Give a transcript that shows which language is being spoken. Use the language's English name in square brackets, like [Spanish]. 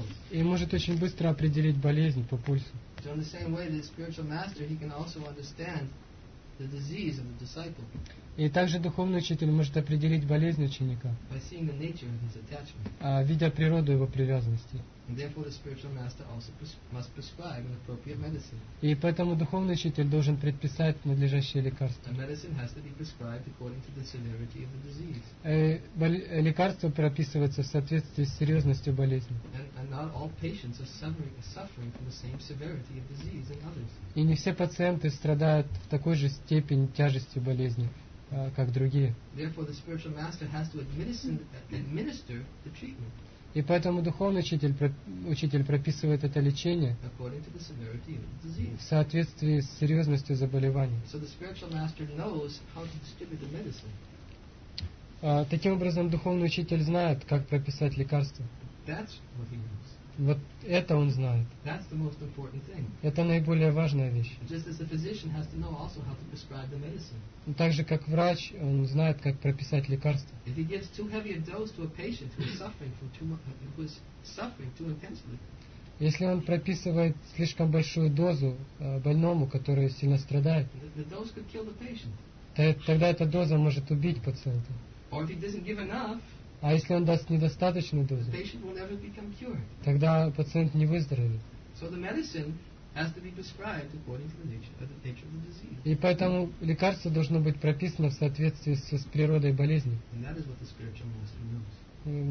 [Russian] И может очень быстро определить болезнь по пульсу. [English] So in the same way, the spiritual master, he can also understand the disease of the disciple. [Russian] И также духовный учитель может определить болезнь ученика. [English] By seeing the nature of his attachment. [Russian] Видя природу его привязанности. [English] And therefore, the spiritual master also must prescribe an appropriate medicine. [Russian] И поэтому духовный учитель должен предписать надлежащее лекарство. [English] A medicine has to be prescribed according to the severity of the disease. [Russian] Лекарство прописывается в соответствии с серьезностью болезни. [English] And not all patients are suffering from the same severity of disease as others. [Russian] И не все пациенты страдают в такой же степени тяжестью болезни, как другие. [English] Therefore, the spiritual master has to administer the treatment. [Russian] И поэтому духовный учитель прописывает это лечение в соответствии с серьезностью заболевания. [English] So the spiritual master knows how to distribute the medicine. [Russian] Таким образом, духовный учитель знает, как прописать лекарство. [English] That's what he knows. [Russian] Вот это он знает. [English] That's the most important thing. [Russian] Это наиболее важная вещь. [English] Just as the physician has to know also how to prescribe the medicine. [Russian] Так же, как врач, он знает, как прописать лекарство. [English] If he gives too heavy a dose to a patient who is suffering from too intensely. [Russian] Если он прописывает слишком большую дозу больному, который сильно страдает, [English] the dose could kill the patient. [Russian] Тогда эта доза может убить пациента. [English] Or if he doesn't give enough. [Russian] А если он даст недостаточную дозу, [English] the patient will never become cured. [Russian] Тогда пациент не выздоровеет. [English] So the medicine has to be prescribed according to the nature of the disease. [Russian] И поэтому лекарство должно быть прописано в соответствии с природой болезни. [English] And that is what the spiritual master knows.